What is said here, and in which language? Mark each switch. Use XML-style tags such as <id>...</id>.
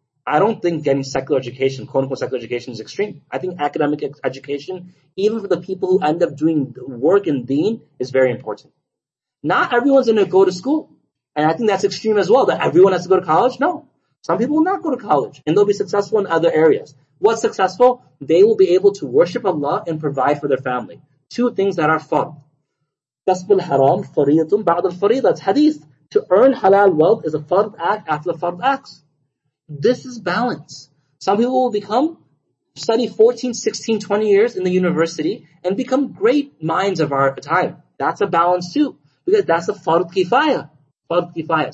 <en>I don't think getting secular education, quote-unquote secular education, is extreme. I think academic education, even for the people who end up doing work in deen, is very important. Not everyone's going to go to school. And I think that's extreme as well, that everyone has to go to college. No. Some people will not go to college, and they'll be successful in other areas. What's successful? They will be able to worship Allah and provide for their family. Two things that are fun.</en> <ar>كسب الحرام فريضة بعد الفريضة.</ar> <en>That's hadith. To earn halal wealth is a fard act after the fard acts. This is balance. Some people will become, study 14, 16, 20 years in the university and become great minds of our time. That's a balance too. Because that's a fard kifaya. Fard kifaya.</en>